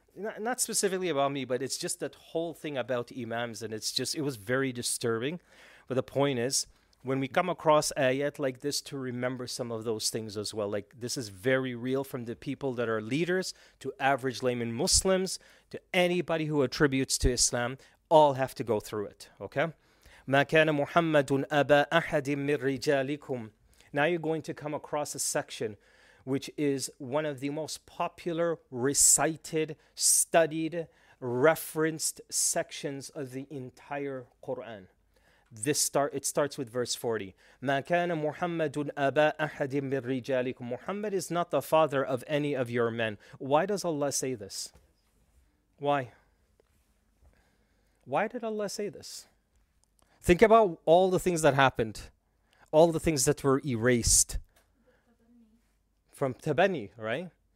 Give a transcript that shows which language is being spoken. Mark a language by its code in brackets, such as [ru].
[en] not specifically about me, but it's just that whole thing about imams, and it's just, it was very disturbing. But the point is, when we come across ayat like this, to remember some of those things as well. Like, this is very real, from the people that are leaders to average layman Muslims to anybody who attributes to Islam, all have to go through it, okay? [ar] مَا كَانَ مُحَمَّدٌ أَبَا أَحَدٍ مِّن رِجَالِكُمْ. [en] Now you're going to come across a section which is one of the most popular, recited, studied, referenced sections of the entire Quran. It starts with verse 40. [ar] مَا كَانَ مُحَمَّدٌ أَبَا أَحَدٍ مِّن رِجَالِكُمْ. [en] Muhammad is not the father of any of your men. Why does Allah say this? Why? Why did Allah say this? Think about all the things that happened, all the things that were erased from Tabani, right?